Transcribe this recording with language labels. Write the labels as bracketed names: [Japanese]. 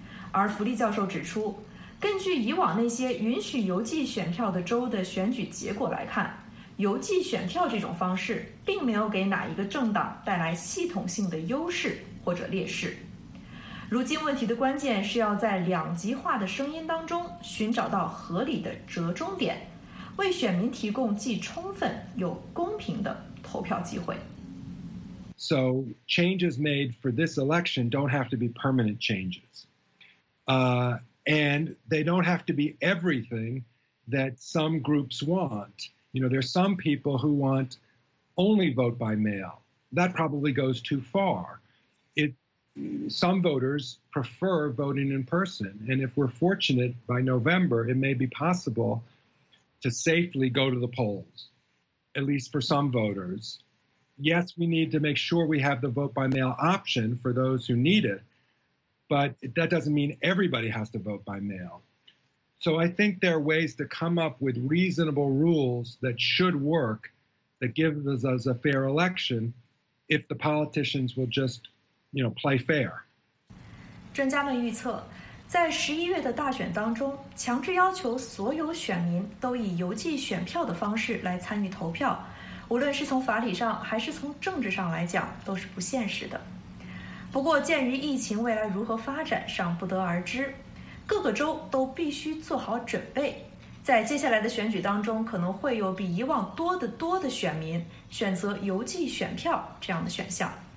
[Chinese] 而福利教授指出，根据以往那些允许邮寄选票的州的选举结果来看，邮寄选票这种方式并没有给哪一个政党带来系统性的优势或者劣势。如今问题的关键是要在两极化的声音当中寻找到合理的折中点，为选民提供既充分又公平的投票机会。 [English] So changes made for this election don't have to be permanent changes. And they don't have to be everything that some groups want. You know, there's some people who want only vote by mail. That probably goes too far. Some voters prefer voting in person. And if we're fortunate by November, it may be possible to safely go to the polls, at least for some voters. Yes, we need to make sure we have the vote by mail option for those who need it. But that doesn't mean everybody has to vote by mail. So I think there are ways to come up with reasonable rules that should work, that gives us a fair election, if the politicians will just, you know, play fair. [Chinese] 专家们预测，在11月的大选当中，强制要求所有选民都以邮寄选票的方式来参与投票，无论是从法理上还是从政治上来讲，都是不现实的。不过鉴于疫情未来如何发展尚不得而知，各个州都必须做好准备，在接下来的选举当中可能会有比以往多得多的选民选择邮寄选票这样的选项。